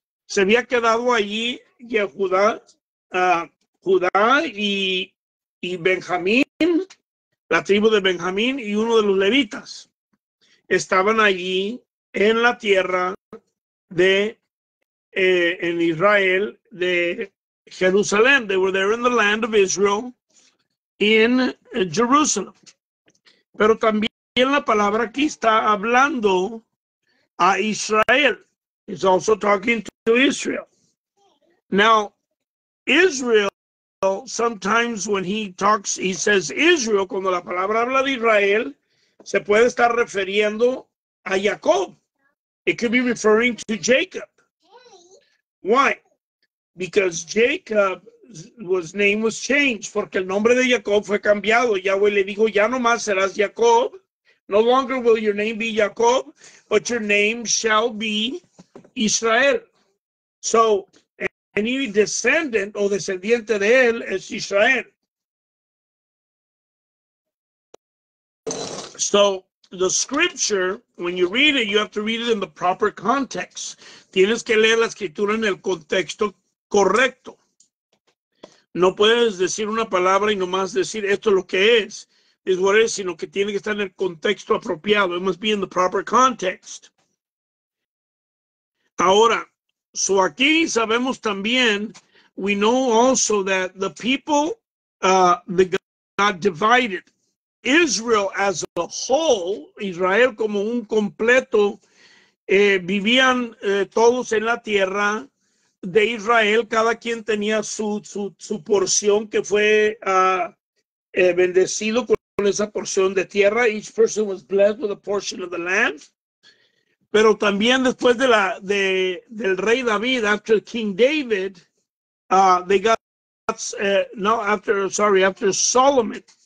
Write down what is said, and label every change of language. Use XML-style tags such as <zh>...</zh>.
<es>Se había quedado allí Yehudá, Judá y Benjamín, la tribu de Benjamín y uno de los levitas. Estaban allí en la tierra de en Israel, de Jerusalén.</es> <en>They were there in the land of Israel, in Jerusalem.</en> <es>Pero también la palabra aquí está hablando a Israel.</es> <en>It's also talking to Israel. Now, Israel, sometimes when he says Israel,</en> <es>cuando la palabra habla de Israel, se puede estar refiriendo a Jacob.</es> <en>It could be referring to Jacob. Why? Because Jacob's name was changed.</en> <es>Porque el nombre de Jacob fue cambiado. Yahweh le dijo, ya no más serás Jacob.</es> <en>No longer will your name be Jacob, but your name shall be Israel. So, any descendant</en> <es>o descendiente de él es Israel.</es> <en>So, the scripture, when you read it, you have to read it in the proper context.</en> <es>Tienes que leer la escritura en el contexto correcto. No puedes decir una palabra y nomás decir esto es lo que es.</es> <en>Is what it is,</en> <es>sino que tiene que estar en el contexto apropiado.</es> <en>It must be in the proper context.</en> <es>Ahora, so aquí sabemos también, we know also that the people, the God divided.</es> <en>Israel as a whole,</en> <es>Israel como un completo, vivían todos en la tierra de Israel. Cada quien tenía su porción que fue bendecido con esa porción de tierra.</es> <en>Each person was blessed with a portion of the land.</en> <es>Pero también después de del rey David,</es> <en>after King David, after Solomon.</en>